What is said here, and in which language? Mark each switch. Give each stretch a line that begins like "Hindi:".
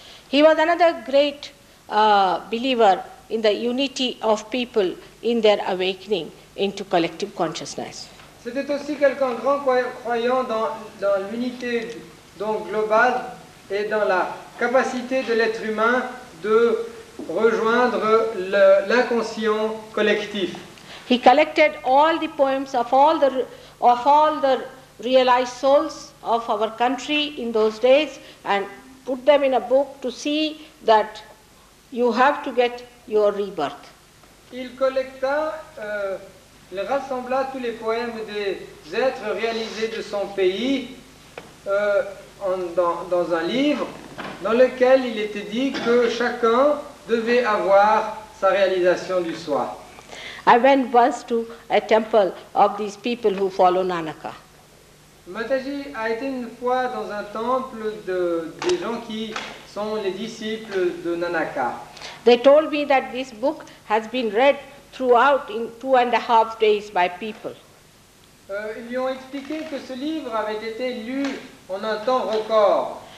English: He was another great believer in the unity of people in their awakening into collective consciousness.
French: C'était aussi quelqu'un grand croyant dans l'unité donc globale et dans la capacité de l'être humain de rejoindre l'inconscient collectif.
English: He collected all the poems of all the realized souls of our country in those days and put them in a book to see that you have to get your rebirth.
French: Il collecta, il rassembla tous les poèmes des êtres réalisés de son pays dans un livre dans lequel il était dit que chacun devait avoir sa réalisation du soi.
English: I went once to a temple of these people who follow Nanaka.
French: Mataji a été une fois dans un temple de des gens qui sont les disciples de Nanaka.
English: They told me that this book has been read throughout in 2.5 days by people.
French: Ils lui ont expliqué que ce livre avait été lu en un temps record.